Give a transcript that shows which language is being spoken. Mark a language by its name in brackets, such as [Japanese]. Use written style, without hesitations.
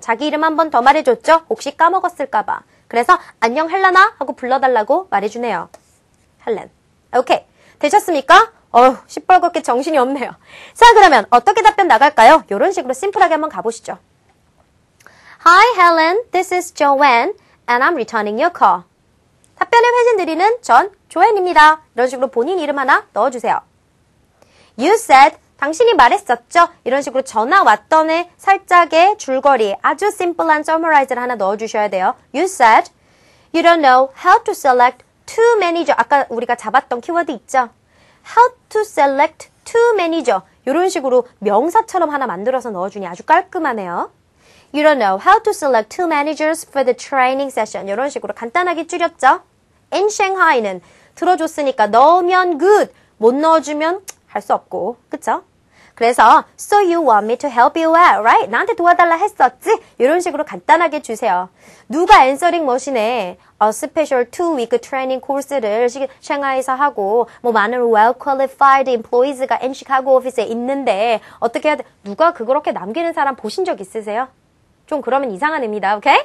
[Korean] 자기 이름 한 번 더 말해줬죠? 혹시 까먹었을까봐. 그래서, 안녕, 헬레나? 하고 불러달라고 말해주네요. 헬렌. 오케이. 되셨습니까? 어휴, 시뻘겋게 정신이 없네요. 자, 그러면, 어떻게 답변 나갈까요? 요런 식으로 심플하게 한번 가보시죠. [English] Hi, Helen. This is Joanne, and I'm returning your call. [Korean] 답변을 회신드리는 전 조앤입니다. 이런 식으로 본인 이름 하나 넣어주세요. [English] You said, [Korean] 당신이 말했었죠? 이런 식으로 전화 왔던에 살짝의 줄거리, 아주 심플한 summarize를 하나 넣어주셔야 돼요. [English] You said, you don't know how to select two manager. [Korean] 아까 우리가 잡았던 키워드 있죠? [English] How to select two manager. [Korean] 이런 식으로 명사처럼 하나 만들어서 넣어주니 아주 깔끔하네요. [English] You don't know how to select two managers for the training session. [Korean] 이런 식으로 간단하게 줄였죠. In Shanghai는 들어줬으니까 넣으면 good, 못 넣어주면 할 수 없고, 그쵸? 그래서 [English] So you want me to help you out, right? [Korean] 나한테 도와달라 했었지? 이런 식으로 간단하게 주세요. 누가 answering machine에 [English] a special two-week training course [Korean] 를 Shanghai에서 하고 뭐 많은 well-qualified employees가 in Chicago office에 있는데 어떻게 해야 돼? 누가 그렇게 남기는 사람 보신 적 있으세요? 좀 그러면 이상한 애입니다. 오케이?